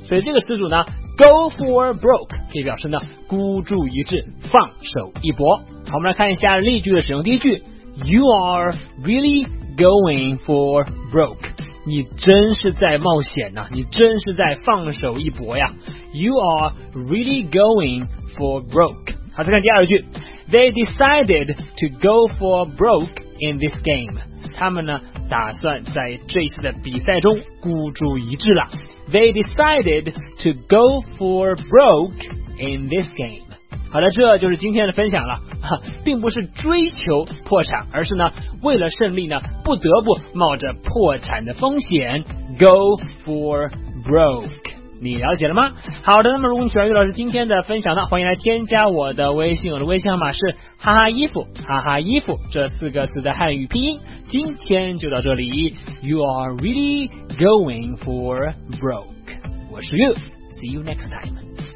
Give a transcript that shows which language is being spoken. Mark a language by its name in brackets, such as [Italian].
[Chinese] 所以这个词组呢 [English] go for broke [Chinese] 可以表示呢孤注一掷，放手一搏。好，我们来看一下例句的使用。第一句， [English] You are really going for broke. [Chinese] 你真是在冒险呐，你真是在放手一搏呀。 [English] You are really going for broke. [Chinese] 好，再看第二句。 [English] They decided to go for broke in this game. [Chinese] 他们呢，打算在这次的比赛中孤注一掷了。 [English] They decided to go for broke in this game. [Chinese] 好的，这就是今天的分享了，并不是追求破产，而是呢为了胜利呢不得不冒着破产的风险， [English] go for broke， [Chinese] 你了解了吗？好的，那么如果你喜欢于老师今天的分享呢，欢迎来添加我的微信，我的微信号码是哈哈衣服，哈哈衣服这四个字的汉语拼音。今天就到这里， [English] You are really going for broke， [Chinese] 我是 [English] You， See you next time。